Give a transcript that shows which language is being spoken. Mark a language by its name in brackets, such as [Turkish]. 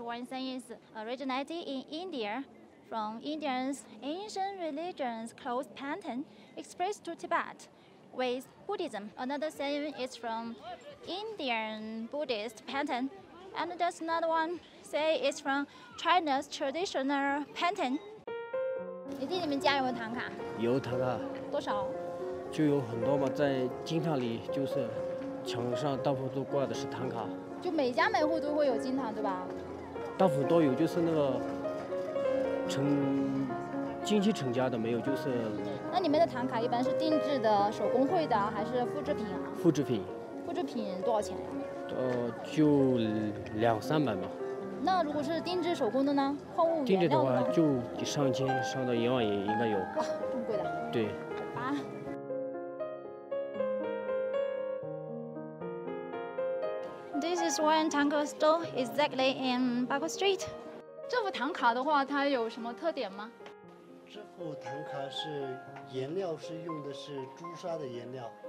[English] One thing is originated in India, from Indians' ancient religions, clothes pattern expressed to Tibet with Buddhism. Another saying is from Indian Buddhist pattern. And there's another one, say it's from China's traditional pattern. [Chinese] 你弟你们家有没有唐卡? 有唐卡。多少? 就有很多嘛, 在经堂里就是墙上到处都挂的是唐卡。就每家每户都会有经堂对吧? 到处都有, 就是那个, 经济成家的没有, 就是。那你们的唐卡一般是定制的, 手工会的, 还是复制品啊? 复制品。复制品多少钱呀? 就两三百嘛。那如果是定制手工的呢? 矿物原料的呢? 定制的话, 就上千, 上到10000也, 应该有。哇, 这么贵的? 对。好吧。 [English] This is one Thangka store, exactly in Barkor Street. [Chinese] 这幅唐卡的话, 它有什么特点吗? 这幅唐卡是, 颜料, 是用的是朱砂的颜料。